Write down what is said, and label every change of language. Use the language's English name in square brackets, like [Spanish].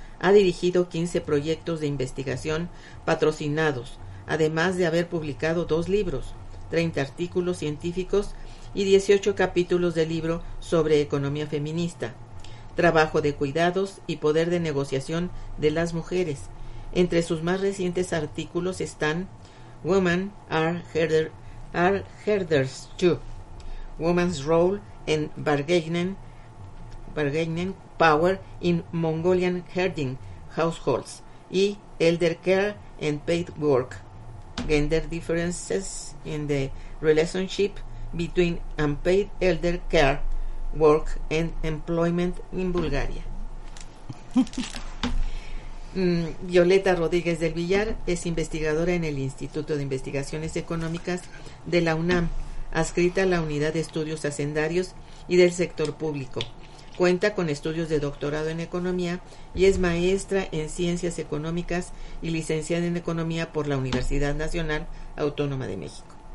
[Spanish] Ha dirigido 15 proyectos de investigación patrocinados, además de haber publicado 2 libros, 30 artículos científicos y 18 capítulos de libro sobre economía feminista, trabajo de cuidados y poder de negociación de las mujeres. Entre sus más recientes artículos están [English] Women are herders too. Women's role in bargaining power in Mongolian herding households y elder care and paid work. Gender differences in the relationship between unpaid elder care work and employment in Bulgaria. [Spanish] Violeta Rodríguez del Villar es investigadora en el Instituto de Investigaciones Económicas de la UNAM. adscrita a la Unidad de Estudios Hacendarios y del Sector Público. Cuenta con estudios de doctorado en economía y es maestra en ciencias económicas y licenciada en economía por la Universidad Nacional Autónoma de México.